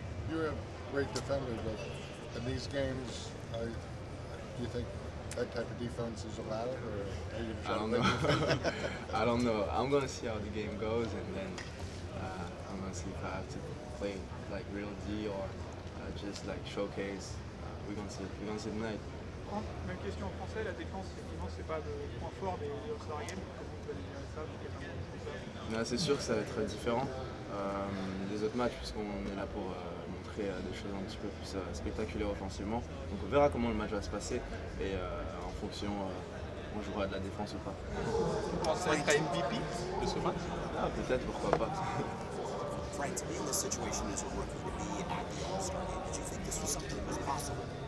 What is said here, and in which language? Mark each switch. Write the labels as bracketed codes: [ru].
[en] You're a great defender, but in these games, do you think that type of defense is allowed, or are you I don't know. I don't know. I'm going to see how the game goes, and then I'm going to see if I have to play like real D or just like showcase. We're going to see tonight. [fr] Même question en français, la défense, effectivement, c'est pas le point fort des All-Star Games. Comment vous allez gérer ça? C'est sûr que ça va être différent des autres matchs, puisqu'on est là pour montrer des choses un petit peu plus spectaculaires offensivement. Donc on verra comment le match va se passer et en fonction, on jouera de la défense ou pas. Vous pensez être MVP de ce match? Ah, peut-être, pourquoi pas. [en] Frank, to be in this situation as a rookie, to be at the All-Star Game, did you think this was something that was possible?